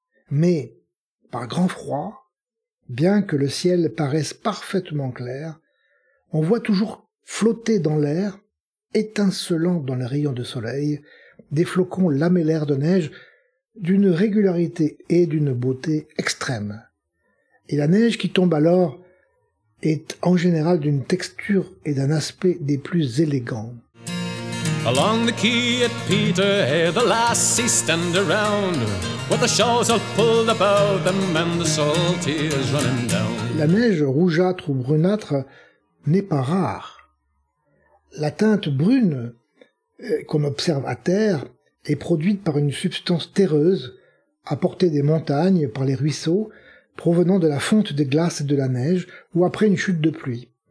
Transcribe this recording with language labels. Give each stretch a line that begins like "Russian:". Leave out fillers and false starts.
French: Mais, par grand froid, bien que le ciel paraisse parfaitement clair, on voit toujours flotter dans l'air, étincelant dans les rayons de soleil, des flocons lamellaires de neige d'une régularité et d'une beauté extrême. Et la neige qui tombe alors est en général d'une texture et d'un aspect des plus élégants.
English: Along the quay at Peterhead, the lassies stand around, with the showers all pulled about them and the salt tears running down.
French: La neige rougeâtre ou brunâtre n'est pas rare. La teinte brune qu'on observe à terre est produite par une substance terreuse apportée des montagnes par les ruisseaux provenant de la fonte des glaces et de la neige ou après une chute de pluie.